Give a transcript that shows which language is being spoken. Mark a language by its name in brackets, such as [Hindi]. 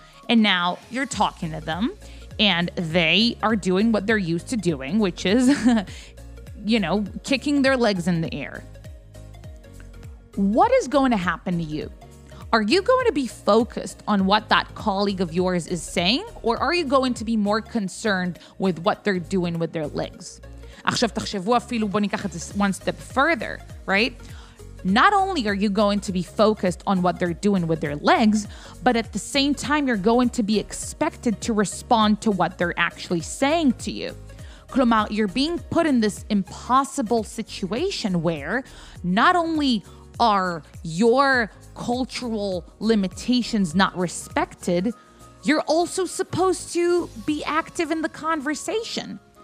[English] And now you're talking to them, and they are doing what they're used to doing, which is, you know, kicking their legs in the air. What is going to happen to you? Are you going to be focused on what that colleague of yours is saying, or are you going to be more concerned with what they're doing with their legs? [Hebrew] עכשיו תחשבו אפילו, בוא ניקח את זה [English] one step further, right? Not only are you going to be focused on what they're doing with their legs, but at the same time, you're going to be expected to respond to what they're actually saying to you. כלומר, you're being put in this impossible situation where not only are your cultural limitations not respected, you're also supposed to be active in the conversation.